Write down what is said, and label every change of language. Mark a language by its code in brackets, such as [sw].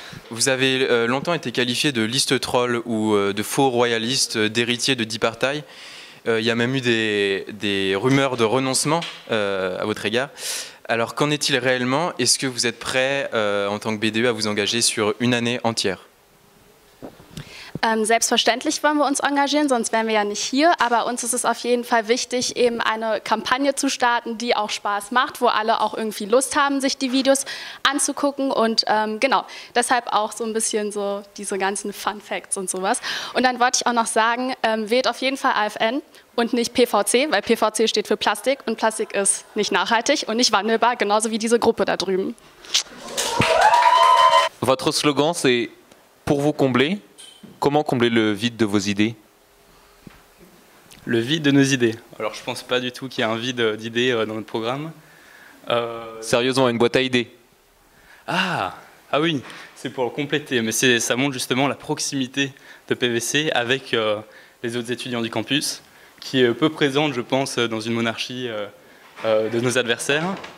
[fr] Vous avez longtemps été qualifié de liste troll ou de faux royaliste, d'héritier de Die Partei. Il y a même eu des rumeurs de renoncement à votre égard. Alors qu'en est-il réellement? Est-ce que vous êtes prêt en tant que BDE à vous engager sur une année entière? [de] Selbstverständlich wollen wir uns engagieren, sonst wären wir ja nicht hier. Aber uns ist es auf jeden Fall wichtig, eben eine Kampagne zu starten, die auch Spaß macht, wo alle auch irgendwie Lust haben, sich die Videos anzugucken. Und genau, deshalb auch so ein bisschen so diese ganzen Fun Facts und sowas. Und dann wollte ich auch noch sagen, wählt auf jeden Fall AFN und nicht PVC, weil PVC steht für Plastik und Plastik ist nicht nachhaltig und nicht wandelbar, genauso wie diese Gruppe da drüben. [fr] Votre Slogan, c'est pour vous combler. Comment combler le vide de vos idées? Le vide de nos idées. Alors je pense pas du tout qu'il y ait un vide d'idées dans notre programme. Sérieusement, une boîte à idées? Ah oui, c'est pour compléter. Mais ça montre justement la proximité de PVC avec les autres étudiants du campus, qui est peu présente, je pense, dans une monarchie de nos adversaires.